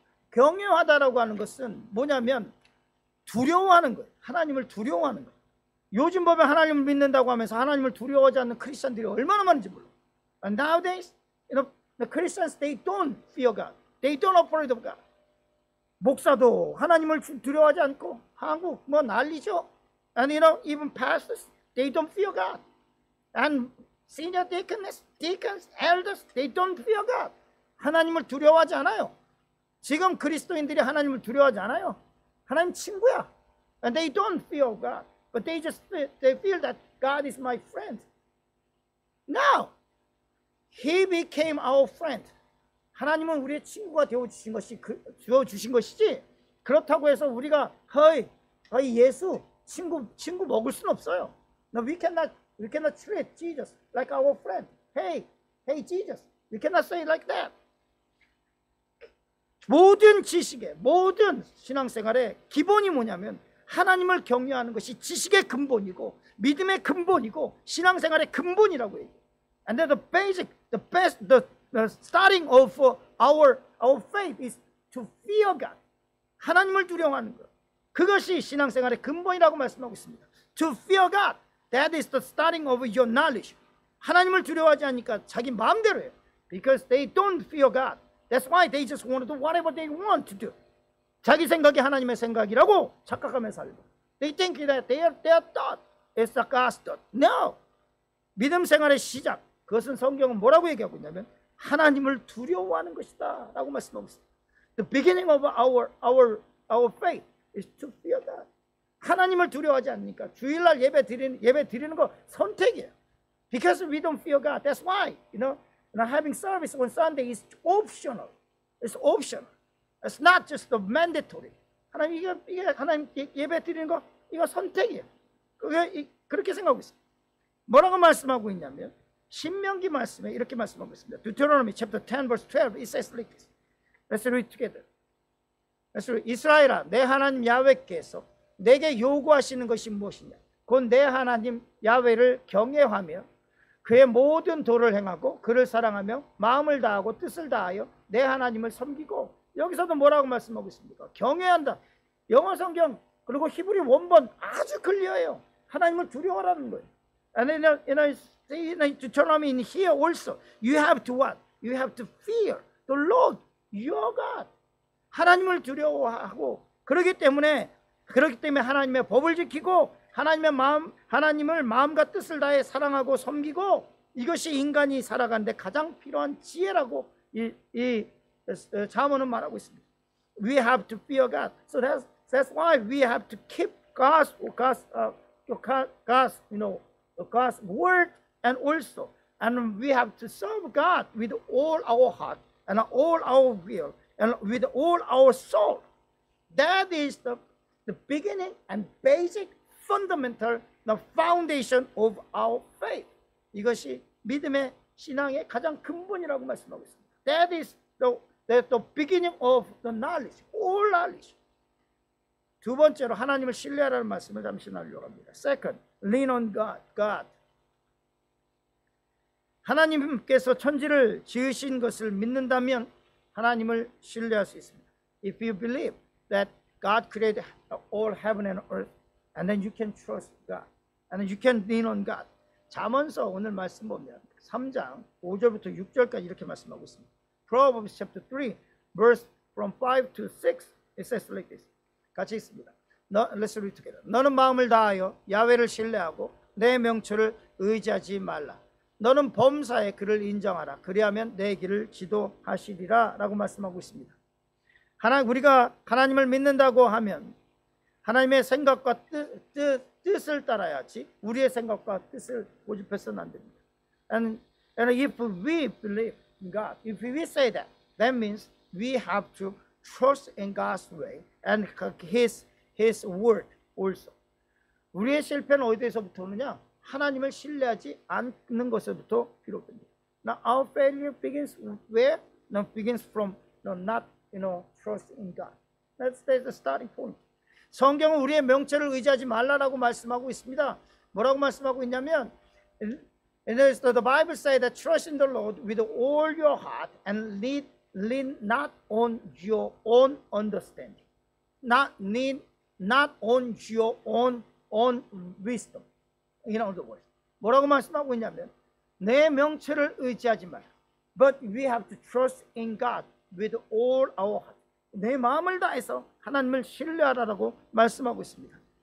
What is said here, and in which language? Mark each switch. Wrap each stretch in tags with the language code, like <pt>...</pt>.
<ko>경외하다라고 하는 것은 뭐냐면 두려워하는 거예요. 하나님을 두려워하는 거. 요즘 보면 하나님을 믿는다고 하면서 하나님을 두려워하지 않는 크리스천들이 얼마나 많은지 몰라.</ko> <en>And nowadays, you know, the Christians they don't fear God. They don't afraid of God.</en> <ko>목사도 하나님을 두려워하지 않고 한국 뭐 난리죠.</ko> <en>And you know, even pastors. They don't fear God. And senior deacons, elders, they don't fear God.</en> <ko>하나님을 두려워하지 않아요. 지금 그리스도인들이 하나님을 두려워하지 않아요. 하나님 친구야.</ko> <en>And they don't fear God. But they feel that God is my friend. Now, he became our friend.</en> <ko>하나님은 우리의 친구가 되어주신 것이지 그렇다고 해서 우리가 헤이 예수 친구 먹을 순 없어요.</ko> <en>No, we cannot We cannot treat Jesus like our friend. Hey, hey Jesus. We cannot say like that.</en> <ko>모든 지식의 모든 신앙생활의 기본이 뭐냐면 하나님을 경외하는 것이 지식의 근본이고 믿음의 근본이고 신앙생활의 근본이라고 해요.</ko> <en>And then the basic, the best, the starting of our faith is to fear God.</en> <ko>하나님을 두려워하는 것. 그것이 신앙생활의 근본이라고 말씀하고 있습니다.</ko> <en>To fear God, that is the starting of your knowledge.</en> <ko>하나님을 두려워하지 않으니까 자기 마음대로 해요.</ko> <en>Because they don't fear God. That's why they just want to do whatever they want to do.</en> <ko>자기 생각이 하나님의 생각이라고 착각하며 살고.</ko> <en>They think that their thought is a God's thought. No!</en> <ko>믿음 생활의 시작, 그것은 성경은 뭐라고 얘기하고 있냐면 하나님을 두려워하는 것이다 라고 말씀하고 있습니다.</ko> <en>The beginning of our faith is to fear God.</en> <ko>하나님을 두려워하지 않으니까 주일날 예배 드리는 거 선택이에요.</ko> <en>Because we don't fear God, that's why, you know, now having service on Sunday is optional. It's optional. It's not just a mandatory.</en> <ko>하나님 이게 하나님 예배 드리는 거 이거 선택이에요. 그렇게 생각하고 있어요. 뭐라고 말씀하고 있냐면 신명기 말씀에 이렇게 말씀하고 있습니다.</ko> <en>Deuteronomy chapter 10 verse 12 it says like this. Let's read together. Let's read.</en> <ko>이스라엘아 내 하나님 야훼께서 내게 요구하시는 것이 무엇이냐? 곧 내 하나님 야훼를 경외하며 그의 모든 도를 행하고 그를 사랑하며 마음을 다하고 뜻을 다하여 내 하나님을 섬기고 여기서도 뭐라고 말씀하고 있습니까? 경외한다. 영어 성경 그리고 히브리 원본 아주 클리어해요. 하나님을 두려워하라는 거예요.</ko> <en>And then in Deuteronomy in here also, you have to what? You have to fear the Lord, your God.</en> <ko>하나님을 두려워하고 그렇기 때문에 하나님의 법을 지키고 하나님을 마음과 뜻을 다해 사랑하고 섬기고 이것이 인간이 살아가는 데 가장 필요한 지혜라고 이 잠언은 말하고 있습니다.</ko> <en>We have to fear God. So that's why we have to keep God's word and also and we have to serve God with all our heart and all our will and with all our soul. That is the beginning and basic fundamental, the foundation of our faith.</en> <ko>이것이 믿음의 신앙의 가장 근본이라고 말씀하고 있습니다.</ko> <en>That is the beginning of the knowledge, all knowledge.</en> <ko>두 번째로 하나님을 신뢰하라는 말씀을 잠시 나누려고 합니다.</ko> <en>Second, lean on God.</en> <ko>하나님께서 천지를 지으신 것을 믿는다면 하나님을 신뢰할 수 있습니다.</ko> <en>If you believe that God created all heaven and earth, and then you can trust God, and then you can lean on God.</en> <ko>잠언서 오늘 말씀 보면 3장 5절부터 6절까지 이렇게 말씀하고 있습니다.</ko> <en>Proverbs chapter 3, verse from 5 to 6, it says like this.</en> <ko>같이 있습니다.</ko> <en>Let's read together.</en> <ko>너는 마음을 다하여 야훼를 신뢰하고 내 명철을 의지하지 말라. 너는 범사에 그를 인정하라. 그리하면 내 길을 지도하시리라 라고 말씀하고 있습니다. 우리가 하나님을 믿는다고 하면 하나님의 생각과 뜻을 따라야지 우리의 생각과 뜻을 고집해서는 안 됩니다.</ko> <en>And if we believe in God, if we say that, that means we have to trust in God's way and his word also.</en> <ko>우리의 실패는 어디에서부터 오느냐? 하나님을 신뢰하지 않는 것에서부터 비롯됩니다.</ko> <en>Now our failure begins where? Now begins from trust in God. That's the starting point.</en> <ko>성경은 우리의 명철을 의지하지 말라라고 말씀하고 있습니다. 뭐라고 말씀하고 있냐면</ko> <en>the Bible says that trust in the Lord with all your heart and lean not on your own understanding. Not on your own wisdom. In other words,</en> <ko>뭐라고 말씀하고 있냐면 내 명철을 의지하지 말라.</ko> <en>But we have to trust in God with all our heart.</en> <ko>내 마음을 다해서 하나님을 신뢰하라라고 말씀하고 있습니다.</ko>